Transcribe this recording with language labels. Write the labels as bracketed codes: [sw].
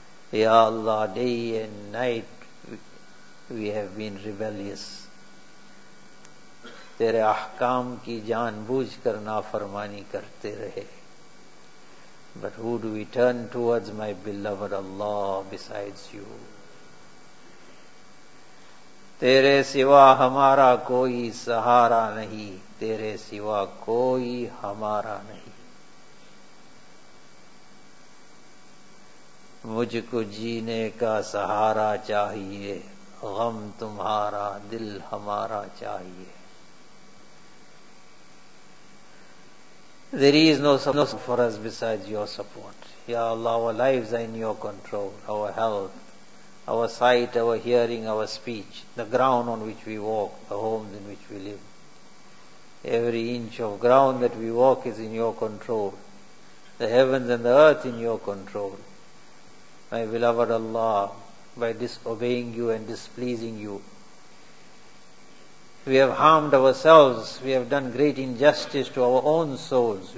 [en] Ya Allah, day and night we have been rebellious. [ur] Tere ahkam ki jaan boojh kar nafarmani karte rahe. [en] But who do we turn towards, my beloved Allah, besides you? [ur] تیرے سوا ہمارا کوئی سہارا نہیں تیرے سوا کوئی ہمارا نہیں مجھ کو جینے کا سہارا چاہیے غم تمہارا دل ہمارا چاہیے [en] There is no support for us besides your support. Ya Allah, our lives are in your control, our health, our sight, our hearing, our speech, the ground on which we walk, the homes in which we live. Every inch of ground that we walk is in your control. The heavens and the earth in your control. My beloved Allah, by disobeying you and displeasing you, we have harmed ourselves, we have done great injustice to our own souls.